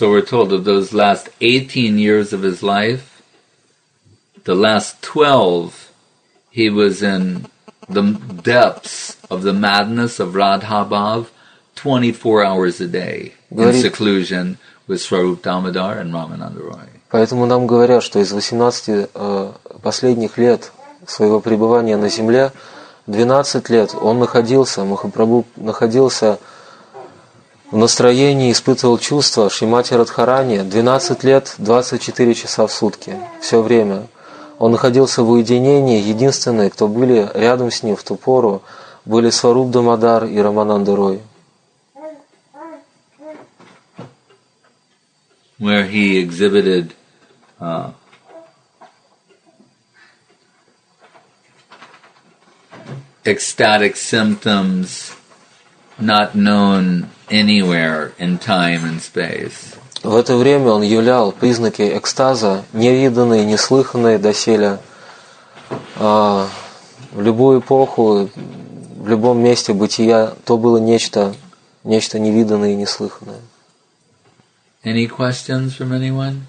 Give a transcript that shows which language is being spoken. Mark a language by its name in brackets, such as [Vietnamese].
[English] So we're told of those last 18 years of his life, the last 12, he was in the depths of the madness of Radha Bhav, 24 hours a day in seclusion with Swarup Damodar and Ramananda Roy. [Russian] Поэтому нам говорят, что из 18 последних лет своего пребывания на земле, 12 лет он находился, Махапрабху находился в настроении, испытывал чувства Шримати Радхарани 12 лет, 24 часа в сутки, все время. Он находился в уединении, единственные, кто были рядом с ним в ту пору, были Сваруп Дамодар и Рамананда Рой. [English] Where he exhibited ecstatic symptoms not known anywhere in time and space. [Russian] В это время он являл признаки экстаза, невиданные, неслыханные доселе, в любую эпоху, в любом месте бытия, то было нечто, нечто невиданное и неслыханное. [English] Any questions from anyone?